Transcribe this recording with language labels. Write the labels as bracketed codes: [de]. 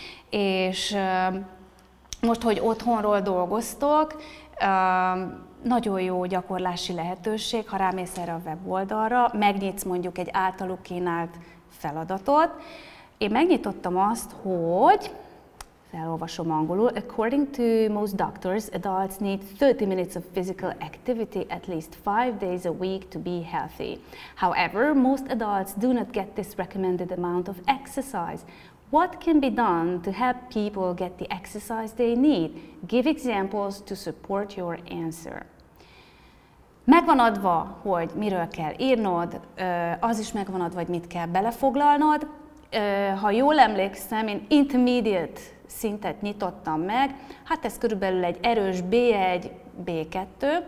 [hu] És most, hogy otthonról dolgoztok, nagyon jó gyakorlási lehetőség, ha rámész erre a weboldalra, megnyitsz mondjuk egy általuk kínált feladatot. Én megnyitottam azt, hogy elolvasom angolul. [en] According to most doctors, adults need 30 minutes of physical activity at least 5 days a week to be healthy. However, most adults do not get this recommended amount of exercise. What can be done to help people get the exercise they need? Give examples to support your answer. [hu] Megvan adva, hogy miről kell írnod, az is megvan adva, hogy mit kell belefoglalnod. Ha jól emlékszem, én intermediate szintet nyitottam meg, hát ez körülbelül egy erős B1, B2.